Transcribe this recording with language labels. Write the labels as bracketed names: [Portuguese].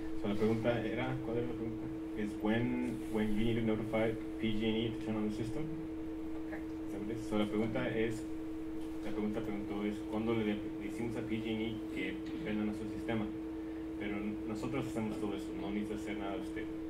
[Spanish] So la pregunta era, ¿cuál era la pregunta? [English] Is when you need to notify PG&E to turn on the system? Correct. [Spanish] So la pregunta es, ¿cuándo le decimos a PG&E que prenda nuestro sistema? Pero nosotros hacemos todo eso, no necesita hacer nada usted.